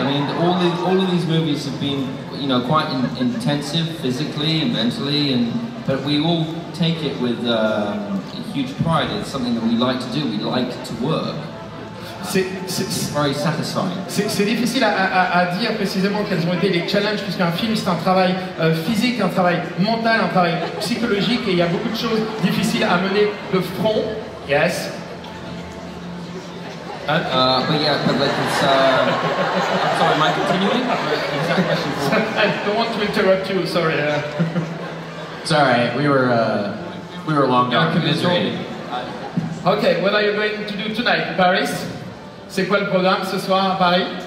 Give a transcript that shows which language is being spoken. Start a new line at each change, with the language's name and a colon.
English: I mean, all of these movies have been, you know, quite intensive physically and mentally, but we all take it with a huge pride. It's something that we like to do. We like to work. It's very satisfying.
French: C'est difficile à dire précisément quels ont été les challenges, puisqu'un film c'est un travail physique, un travail mental, un travail psychologique, et il y a beaucoup de choses difficiles à mener de front.
English: Yes. Sorry, am I continuing? I don't want to interrupt you, sorry. Sorry, we were long gone. Commiserating. Okay, what are you going to do tonight, Paris?
French: C'est quoi le programme ce soir à Paris?